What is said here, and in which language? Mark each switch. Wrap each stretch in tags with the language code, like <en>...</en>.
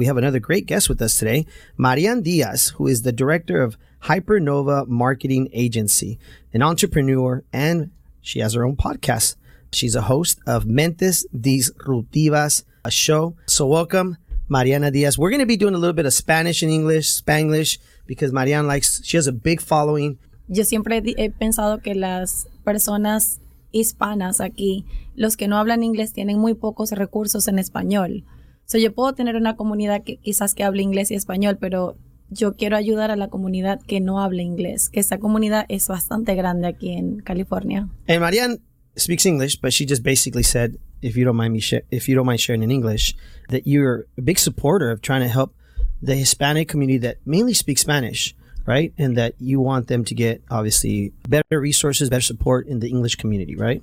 <en>We have another great guest with us today, Marian Diaz, who is the director of Hypernova Marketing Agency, an entrepreneur, and she has her own podcast. She's a host of Mentes Disruptivas, a show. So welcome, Mariana Diaz. We're going to be doing a little bit of Spanish and English, Spanglish, because Marian likes, she has a big following.</en> <es>Yo siempre he pensado que las personas hispanas aquí, los que no hablan inglés, tienen muy pocos recursos en español.</es> <en>So</en> <es>yo puedo tener una comunidad que quizás que hable inglés y español, pero yo quiero ayudar a la comunidad que no habla inglés, que esa comunidad es bastante grande aquí en California.</es> <en>And Marian speaks English, but she just basically said, if you don't mind sharing in English, that you're a big supporter of trying to help the Hispanic community that mainly speaks Spanish, right? And that you want them to get, obviously, better resources, better support in the English community, right?</en>